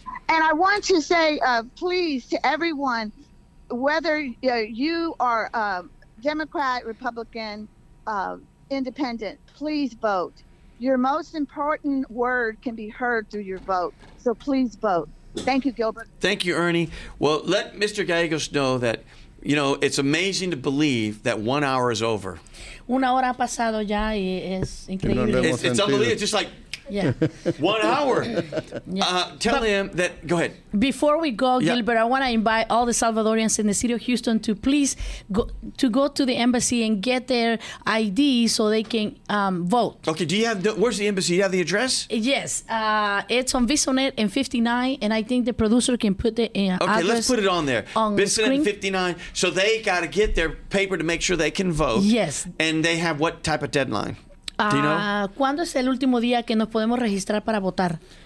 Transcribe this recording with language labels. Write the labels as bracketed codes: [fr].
[en] And I want to say, please, to everyone, whether you are Democrat, Republican, independent, please vote. Your most important word can be heard through your vote. So please vote. Thank you, Gilbert. Thank you, Ernie. Well, let Mr. Gallegos know that, you know, it's amazing to believe that 1 hour is over. [es] Una hora ha pasado ya y es increíble. [en] It's unbelievable. It's just like... Yeah. 1 hour. Yeah. Go ahead. Before we go, Gilbert, I want to invite all the Salvadorians in the city of Houston to please go to the embassy and get their ID so they can vote. Okay, where's the embassy? Do you have the address? Yes. It's on Bissonnette and 59, and I think the producer can put the address. Okay, let's put it on there. On Bissonnette and 59. So they got to get their paper to make sure they can vote. Yes. And they have what type of deadline? [es] ¿Cuándo es el último día que nos podemos registrar para votar?